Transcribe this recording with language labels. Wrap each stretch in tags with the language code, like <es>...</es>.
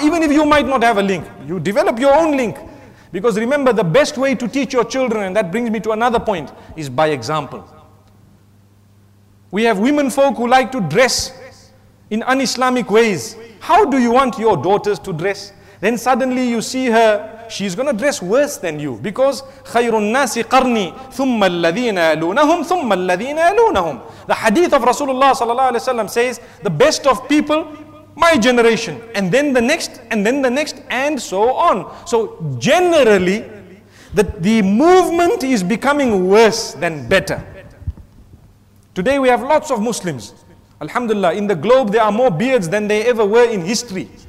<en>Even if you might not have a link, you develop your own link. Because remember, the best way to teach your children, and that brings me to another point, is by example. We have women folk who like to dress in un-Islamic ways. How do you want your daughters to dress? Then suddenly you see her, she's going to dress worse than you. Because</en> <ar>خَيْرُ النَّاسِ قَرْنِي ثُمَّ الَّذِينَ أَلُونَهُمْ ثُمَّ الَّذِينَ أَلُونَهُمْ.</ar> <en>The hadith of Rasulullah sallallahu alaihi wasallam says, the best of people, my generation, and then the next, and then the next, and so on. So generally, the movement is becoming worse than better. Today we have lots of Muslims. Alhamdulillah, in the globe there are more beards than they ever were in history.</en>